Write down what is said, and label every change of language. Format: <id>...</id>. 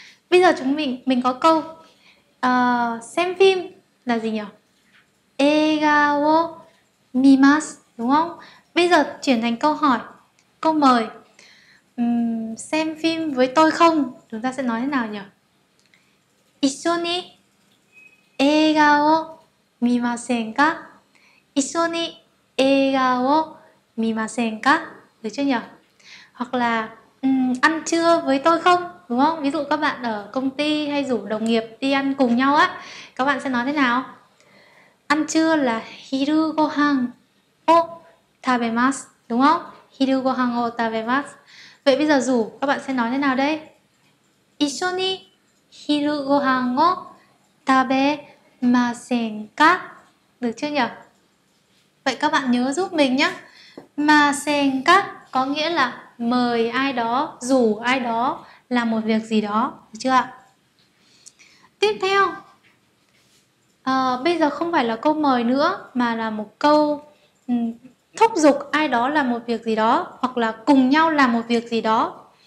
<vi>Bây giờ chúng mình có câu xem phim là gì nhỉ?</vi> <ja>Eiga wo mimasu,</ja> <vi>đúng không? Bây giờ chuyển thành câu hỏi, câu mời. Xem phim với tôi không? Chúng ta sẽ nói thế nào nhỉ?</vi> <ja>一緒に映画を見ませんか?一緒に映画を見ませんか?</ja> <vi>Được chưa nhỉ? Hoặc là ăn trưa với tôi không? Đúng không? Ví dụ các bạn ở công ty hay rủ đồng nghiệp đi ăn cùng nhau á, các bạn sẽ nói thế nào? Ăn trưa là</vi> <ja>昼ご飯を食べます,</ja> <vi>đúng không?</vi> <ja>昼ご飯を食べます.</ja> <vi>Vậy bây giờ rủ các bạn sẽ nói thế nào đây?</vi> <ja>一緒に昼ご飯を食べませんか?</ja> <vi>Được chưa nhỉ? Vậy các bạn nhớ giúp mình nhé. ませんか có nghĩa là mời ai đó, rủ ai đó làm một việc gì đó, được chưa ạ? Tiếp theo, bây giờ không phải là câu mời nữa mà là một câu thúc giục ai đó làm một việc gì đó hoặc là cùng nhau làm một việc gì đó.</vi>